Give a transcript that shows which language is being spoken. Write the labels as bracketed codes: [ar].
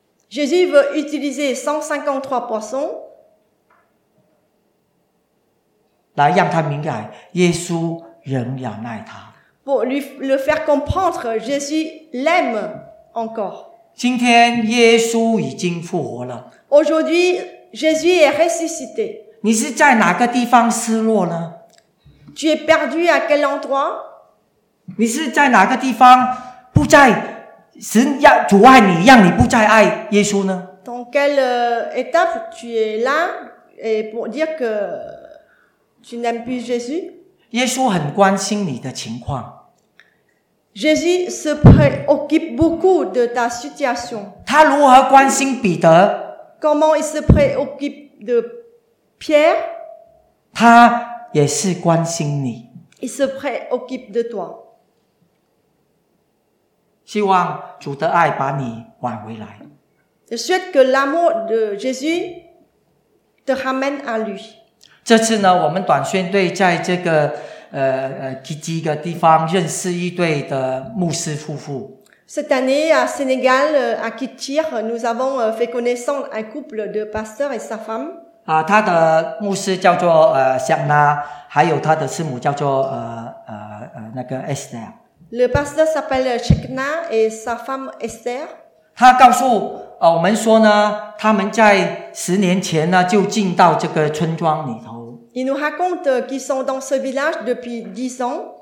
[fr] Jésus veut utiliser 153 poissons. [zh] 来让他明白，耶稣仍然爱他。 [fr] Pour lui le faire comprendre, Jésus l'aime encore. [zh] 今天耶稣已经复活了。 [fr] Aujourd'hui, Jésus est ressuscité. [zh] 你是在哪个地方失落呢？ [fr] Tu es perdu à quel endroit? [zh] 你是在哪个地方不再神要阻碍你，让你不再爱耶稣呢？ [fr] Dans quelle étape tu es là et pour dire que tu n'aimes plus Jésus? [zh] 耶稣很关心你的情况。 [fr] Jésus se préoccupe beaucoup de ta situation. [zh] 他如何关心彼得？ [fr] Comment il se préoccupe de Pierre? [zh] 他也是关心你。 [fr] Il se préoccupe de toi. [zh] 希望主的爱把你挽回来。 [fr] Je souhaite que l'amour de Jésus te ramène à lui. [zh] 这次呢，我们短宣队在这个几个地方认识一对的牧师夫妇。 [fr] Cette année à Sénégal, à Kitir, nous avons fait connaissance un couple de pasteurs et sa femme. [zh] 啊，他的牧师叫做Shanna，还有他的师母叫做那个 Esther。 [fr] Le pasteur s'appelle Shanna et sa femme Esther. [zh] 他告诉我们说呢，他们在十年前呢就进到这个村庄里头。 [fr] Il nous raconte qu'ils sont dans ce village depuis 10 ans.